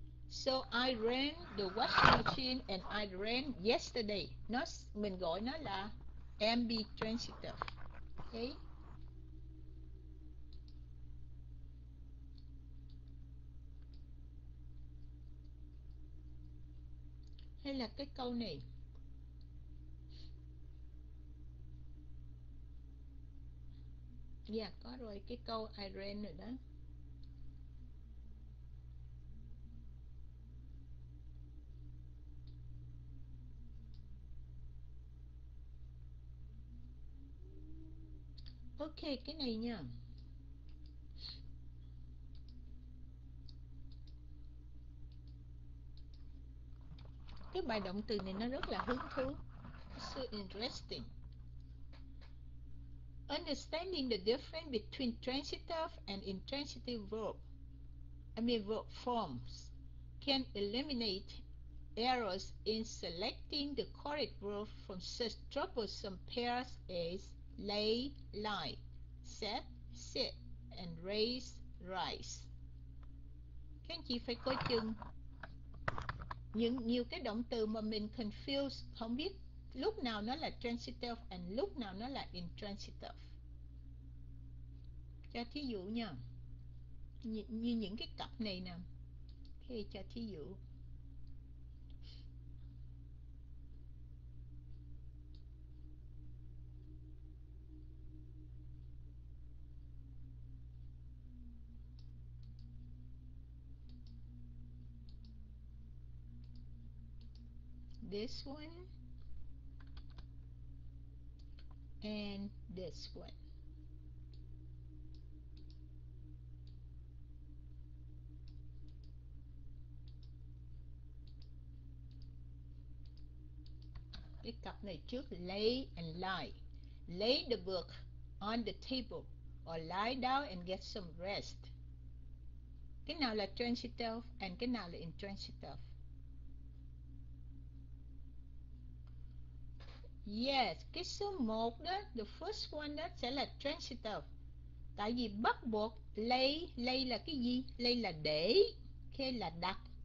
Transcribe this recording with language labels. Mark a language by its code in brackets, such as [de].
[en] So I rang the washing machine and I rang yesterday. [vi] Nó mình gọi nó là ambidextrous. Okay. Hay là cái câu này. Dạ, có rồi, cái câu I ran rồi đó. Ok, cái này nha. Cái bài động từ này nó rất là hứng thú. [en] So interesting. Understanding the difference between transitive and intransitive verb, I mean verb forms, can eliminate errors in selecting the correct verb from such troublesome pairs as lay, lie, set, sit, and raise, rise. [vi] Các anh chị phải coi chừng những nhiều cái động từ mà mình confuse, không biết lúc nào nó là transitive and lúc nào nó là intransitive. Cho thí dụ nha, như những cái cặp này nè, okay, cho thí dụ. [en] This one and this one. [vi] Cái cặp này trước [en] lay and lie. Lay the book on the table or lie down and get some rest. [vi] Cái nào là transitive and cái nào là intransitive? Yes, cái số 1 đó, [en] the first one [vi] đó sẽ là transitive. Tại vì bắt buộc lay, lay là cái gì? Lay là để, khi là đặt.